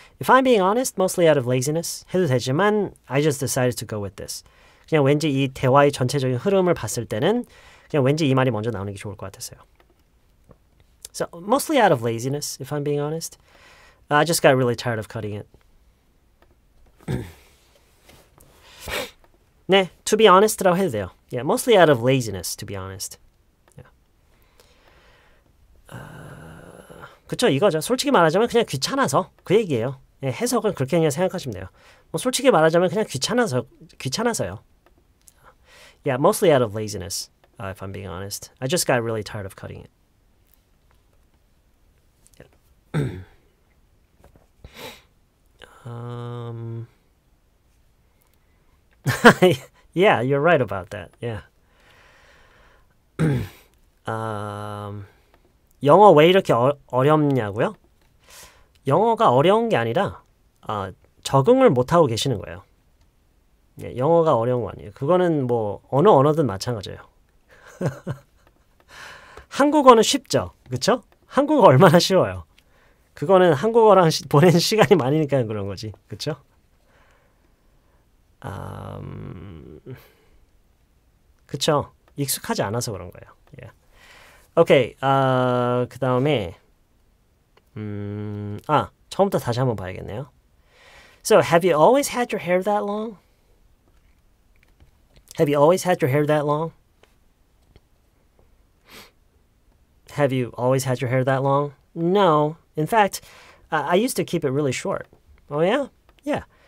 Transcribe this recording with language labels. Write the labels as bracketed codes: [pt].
[en] If I'm being honest, mostly out of laziness [ko] 해도 되지만 [en] I just decided to go with this. [ko] 그냥 왠지 이 대화의 전체적인 흐름을 봤을 때는 그냥 왠지 이 말이 먼저 나오는 게 좋을 것 같았어요. [en] So mostly out of laziness, if I'm being honest, I just got really tired of cutting it. 네, to be honest라고 [ko] 해도 돼요. [en] Yeah, mostly out of laziness, to be honest. [ko] Yeah. 그렇죠, 이거죠. 솔직히 말하자면 그냥 귀찮아서 그 얘기예요. 예, 해석은 그렇게 그냥 생각하시면 돼요. 뭐 솔직히 말하자면 그냥 귀찮아서요. [en] Yeah, mostly out of laziness, if I'm being honest. I just got really tired of cutting it. yeah, you're right about that. Yeah. [ko] 영어 왜 이렇게 어렵냐고요? 영어가 어려운 게 아니라 적응을 못하고 계시는 거예요. 예, 영어가 어려운 거 아니에요. 그거는 뭐 어느 언어든 마찬가지예요. 한국어는 쉽죠. 그쵸? 한국어 얼마나 쉬워요. 그거는 한국어랑 보낸 시간이 많으니까 그런 거지. 그쵸? 그쵸? 익숙하지 않아서 그런 거예요. 예. 오케이. 그 다음에 처음부터 다시 한번 봐야겠네요. [en] So, have you always had your hair that long? Have you always had your hair that long? Have you always had your hair that long? No. In fact, I used to keep it really short. Oh, yeah? Yeah.